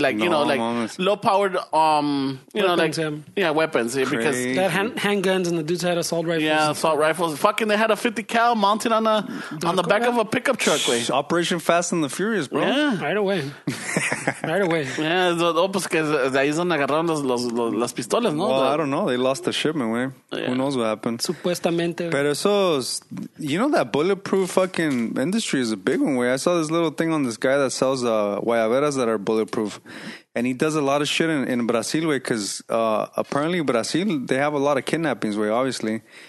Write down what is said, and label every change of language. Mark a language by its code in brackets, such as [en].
[en] Like, no, you know, like, low-powered, you know, like... Weapons. Yeah, weapons. Yeah, because they had handguns and the dudes had assault rifles. Yeah, assault rifles. Fucking, they had a 50 cal mounted on the back of a pickup truck, güey. Operation Fast and the Furious, bro. Yeah. Right away. Right away. [es] Yeah, oh, pues que de ahí es donde agarraron las pistolas, ¿no? [en] Well, I don't know. They lost the shipment, man. Yeah. Who knows what happened? [es] Supuestamente. Pero eso, [en] you know that bulletproof fucking industry is a big one, way. I saw this little thing on this guy that sells guayaberas that are bulletproof. And he does a lot of shit in Brazil, way, because apparently Brazil, they have a lot of kidnappings, way, obviously.